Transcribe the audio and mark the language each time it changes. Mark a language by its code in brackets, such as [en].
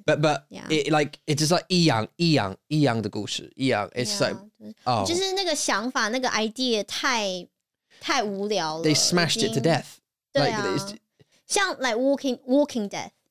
[en] But it's just like [zh] 一样的故事, like就是那个想法那个idea太无聊了。They [en] smashed it to death. [zh] 对啊，像like Walking Dead.